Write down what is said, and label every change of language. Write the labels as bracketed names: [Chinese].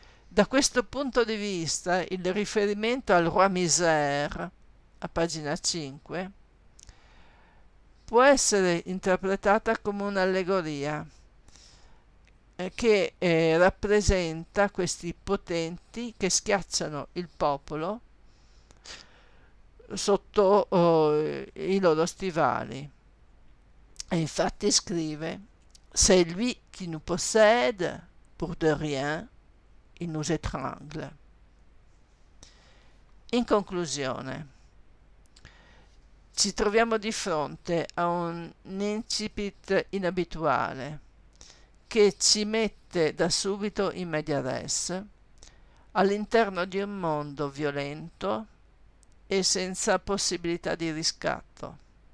[Italian] Da questo punto di vista, il riferimento al Roi Misère, a pagina 5, può essere interpretata come un'allegoria che rappresenta questi potenti che schiacciano il popolo sotto i loro stivali. E infatti scrive: [French] c'est lui qui nous possède pour de rien, il nous étrangle. [Italian] In conclusione, ci troviamo di fronte a un incipit inabituale che ci mette da subito in medias res, all'interno di un mondo violento e senza possibilità di riscatto.